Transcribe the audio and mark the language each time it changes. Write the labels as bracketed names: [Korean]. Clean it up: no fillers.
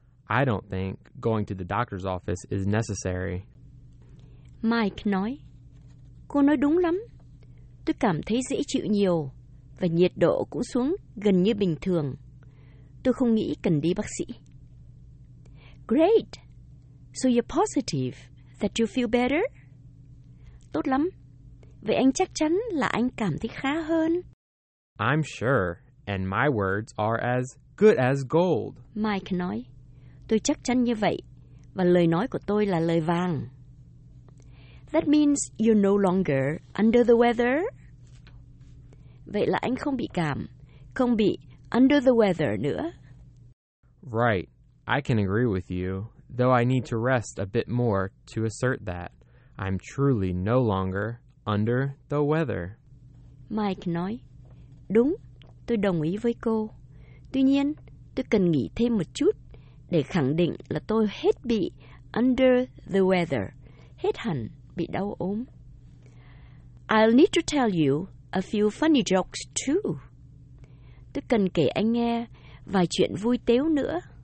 [English] I don't think going to the doctor's office is necessary. [Vietnamese] Mike nói, cô nói đúng lắm. Tôi cảm thấy dễ chịu nhiều, và nhiệt độ cũng xuống gần như bình thường. Tôi không nghĩ cần đi bác sĩ. [English] Great. So you're positive that you feel better? [Vietnamese] Tốt lắm. Vậy anh chắc chắn là anh cảm thấy khá hơn. [English] I'm sure, and my words are as good as gold. [Vietnamese] Mike nói, tôi chắc chắn như vậy, và lời nói của tôi là lời vàng. [English] That means you're no longer under the weather. [Vietnamese] Vậy là anh không bị cảm, không bị [English] under the weather [Vietnamese] nữa. [English] Right, I can agree with you, though I need to rest a bit more to assert that. I'm truly no longer under the weather. [Vietnamese] Mike nói, đúng, tôi đồng ý với cô. Tuy nhiên, tôi cần nghỉ thêm một chút để khẳng định là tôi hết bị [English] under the weather, [Vietnamese] hết hẳn bị đau ốm. [English] I'll need to tell you a few funny jokes too. [Vietnamese] Tôi cần kể anh nghe vài chuyện vui tếu nữa.